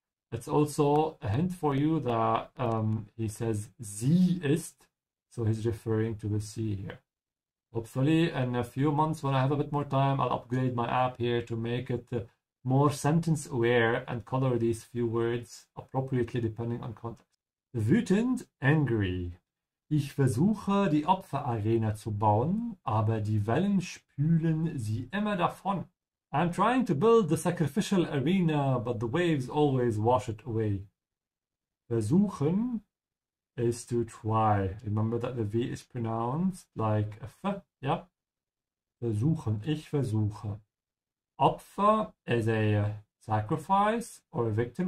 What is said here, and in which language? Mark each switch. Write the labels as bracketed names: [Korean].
[English] It's also a hint for you that he says sie ist, so he's referring to the sea here. Hopefully in a few months when I have a bit more time, I'll upgrade my app here to make it more sentence aware and color these few words appropriately depending on context. Wütend, angry. [German] Ich versuche, die Opferarena zu bauen, aber die Wellen spülen sie immer davon. [English] I'm trying to build the sacrificial arena, but the waves always wash it away. Versuchen is to try. Remember that the V is pronounced like a F, yeah? Versuchen, ich versuche. Opfer is a sacrifice or a victim.